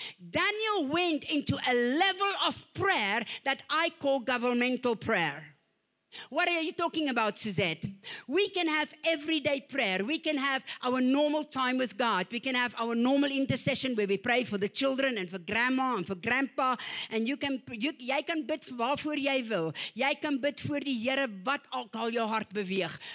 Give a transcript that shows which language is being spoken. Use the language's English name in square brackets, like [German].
[English] Daniel went into a level of prayer that I call governmental prayer. What are you talking about, Suzette? We can have everyday prayer. We can have our normal time with God. We can have our normal intercession where we pray for the children and for grandma and for grandpa. And you can, [Afrikaans] jy kan bid waarvoor jy wil. Jy kan bid voor die Here wat ook al jou hart beweeg.